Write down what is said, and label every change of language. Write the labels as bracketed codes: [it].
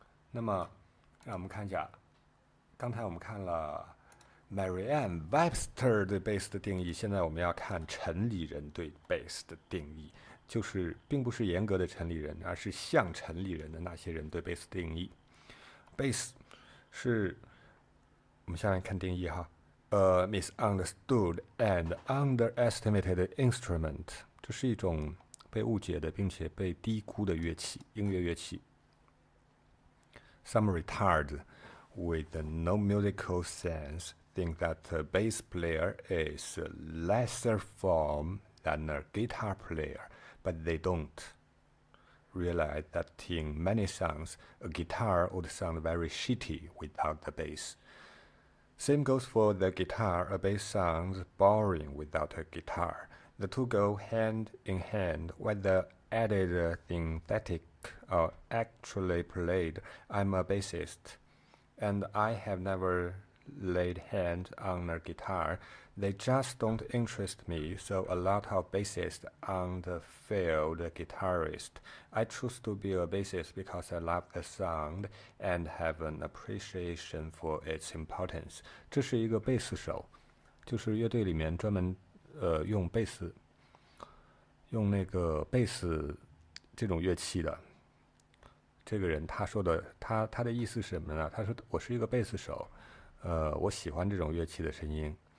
[zh] 那么，让我们看一下，刚才我们看了 Marianne Webster 对 bass 的定义，现在我们要看城里人对 bass 的定义，就是并不是严格的城里人，而是像城里人的那些人对 bass 定义。 bass 是，我们下面看定义哈， [en] a misunderstood and underestimated instrument。 [zh] 这是一种被误解的，并且被低估的乐器，音乐乐器。 [en] Some retards with no musical sense think that a bass player is a lesser form than a guitar player, but they don't realize that in many songs, a guitar would sound very shitty without the bass. Same goes for the guitar. A bass sounds boring without a guitar. The two go hand in hand, whether added synthetic or actually played. I'm a bassist, and I have never laid hands on a guitar. They just don't interest me, so a lot of bassists aren't failed guitarists. I choose to be a bassist because I love the sound and have an appreciation for its importance. [zh] 这是一个贝斯手，就是乐队里面专门用贝斯。用那个贝斯这种乐器的这个人，他说的，他的意思是什么呢？他说我是一个贝斯手，我喜欢这种乐器的声音。